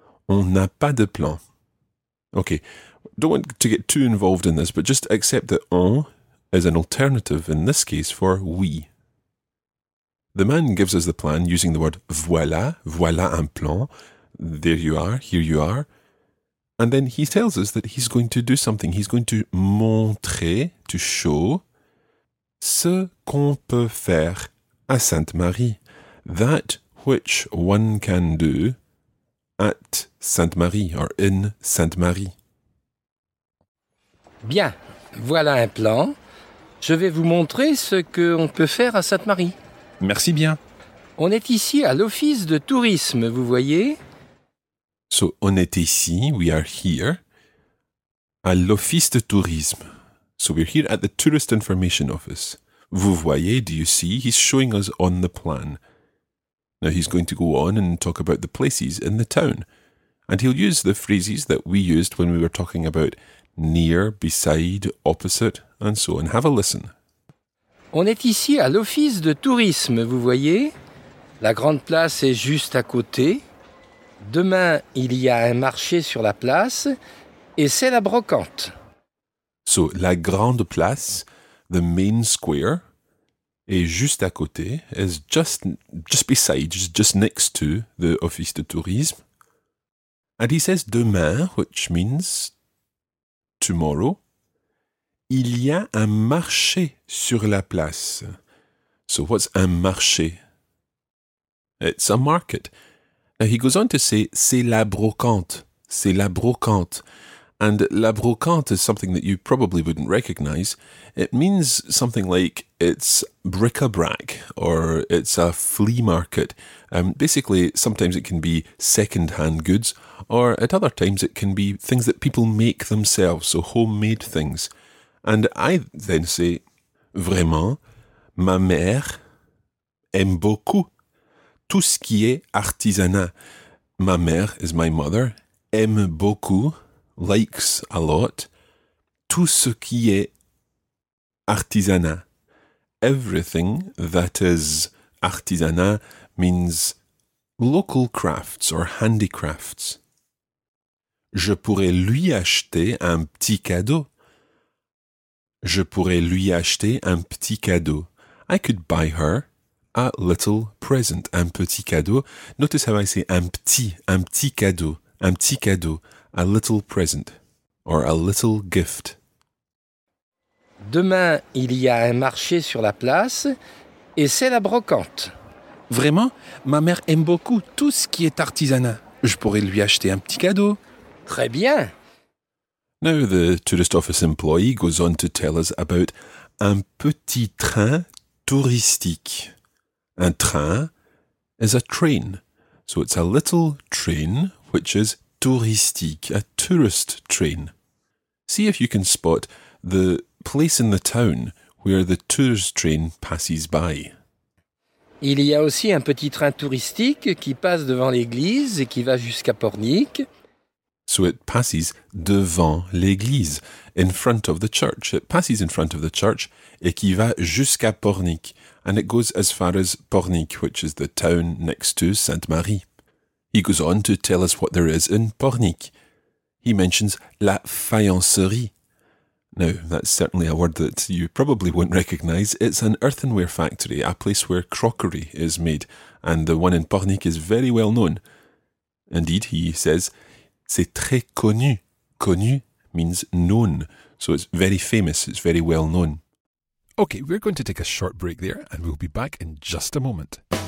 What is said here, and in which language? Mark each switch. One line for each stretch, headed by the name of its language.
French: On n'a pas de plan.
English: Okay, don't want to get too involved in this, but just accept that on is an alternative in this case for oui. The man gives us the plan using the word voilà,
French: voilà un plan.
English: There you are, here you are. And then he tells us that he's going to do something. He's going to
French: montrer,
English: to show,
French: ce qu'on peut faire à Sainte-Marie.
English: That which one can do at Sainte-Marie or in Sainte-Marie.
French: Bien, voilà un plan. Je vais vous montrer ce qu'on peut faire à Sainte-Marie. Merci bien. On est ici à l'office de tourisme, vous voyez?
English: So,
French: on est ici,
English: we are here,
French: à l'office de tourisme.
English: So, we're here at the Tourist Information Office.
French: Vous voyez,
English: do you see? He's showing us on the plan. Now, he's going to go on and talk about the places in the town. And he'll use the phrases that we used when we were talking about near, beside, opposite, and so on. Have a listen.
French: On est ici à l'office de tourisme, vous voyez? La grande place est juste à côté. Demain, il y a un marché sur la place, et c'est la brocante.
English: So,
French: la grande place,
English: the main square,
French: est juste à côté,
English: is just beside, just next to the office de tourisme. And he says demain, which means tomorrow.
French: Il y a un marché sur la place.
English: So, what's un marché? It's a market. Now he goes on to say,
French: c'est la brocante. C'est la brocante.
English: And la brocante is something that you probably wouldn't recognise. It means something like it's bric-a-brac or it's a flea market. Basically, sometimes it can be second-hand goods or at other times it can be things that people make themselves, so homemade things. And I then say,
French: vraiment, ma mère aime beaucoup tout ce qui est artisanat. Ma mère
English: is my mother,
French: aime beaucoup,
English: likes a lot,
French: tout ce qui est artisanat.
English: Everything that is artisanat means local crafts or handicrafts.
French: Je pourrais lui acheter un petit cadeau. Je pourrais lui acheter un petit cadeau.
English: I could buy her a little present,
French: un petit cadeau.
English: Notice how I say
French: un petit cadeau, un petit cadeau.
English: A little present, or a little gift.
French: Demain, il y a un marché sur la place, et c'est la brocante. Vraiment, ma mère aime beaucoup tout ce qui est artisanat. Je pourrais lui acheter un petit cadeau. Très bien.
English: Now the tourist office employee goes on to tell us about un petit train touristique. Un train is a train. So it's a little train, which is touristique, a tourist train. See if you can spot the place in the town where the tourist train passes by.
French: Il y a aussi un petit train touristique qui passe devant l'église et qui va jusqu'à Pornic.
English: So it passes
French: devant l'église,
English: in front of the church. It passes in front of the church
French: et qui va jusqu'à Pornic.
English: And it goes as far as Pornic, which is the town next to Sainte-Marie. He goes on to tell us what there is in Pornic. He mentions la faïencerie. Now, that's certainly a word that you probably won't recognise. It's an earthenware factory, a place where crockery is made, and the one in Pornic is very well known. Indeed, he says,
French: c'est très connu.
English: Connu means known, so it's very famous, it's very well known. Okay, we're going to take a short break there, and we'll be back in just a moment.